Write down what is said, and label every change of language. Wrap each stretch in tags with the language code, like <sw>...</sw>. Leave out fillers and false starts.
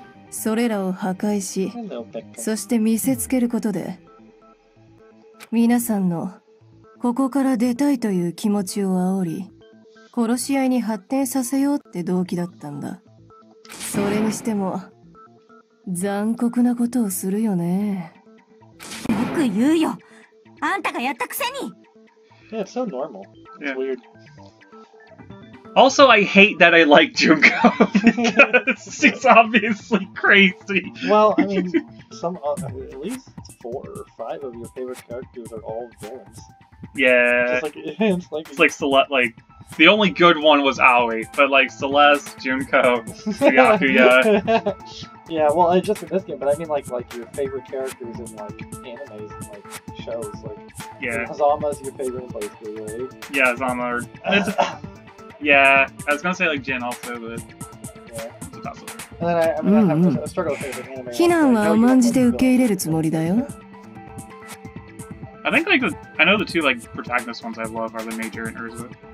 <ja>それらを破壊し、そして見せつけることで、皆さんのここから出たいという気持ちを煽り、殺し合いに発展させようって動機だったんだ。それにしても、残酷なことをするよね。よく言うよ。あんたがやったくせに。</ja> <en>Yeah, it's so normal. It's yeah. weird. Also, I hate that I like Junko because she's obviously crazy. Well, I mean, some at least four or five of your favorite characters are all villains. Yeah. It's like the only good one was Aoi, but like Celeste, Junko, Sayakuya. Yeah, well, it's just in this game, but I mean like your favorite characters in like animes and like shows. Like, yeah. Azama's your favorite in Blaze Blue, right? Yeah, Azama. Yeah, I was gonna say like Jin also, but. Yeah. It's a tough one. And then I have to struggle with favorite anime.</en> <ja>非難は甘んじて受け入れるつもりだよ。</ja> <en>I think like I know the two like protagonist ones I love are the Major and Urza.</en>